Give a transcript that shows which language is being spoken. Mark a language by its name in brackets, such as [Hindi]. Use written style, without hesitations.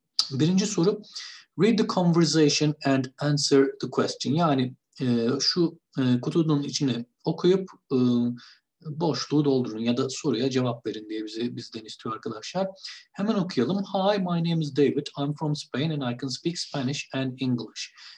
[Turkish] Birinci soru, [English] read the conversation and answer the question. [Turkish] Yani şu kutunun içini okuyup boşluğu doldurun ya da soruya cevap verin diye bizden istiyor arkadaşlar. Hemen okuyalım. [English] Hi, my name is David. I'm from Spain and I can speak Spanish and English.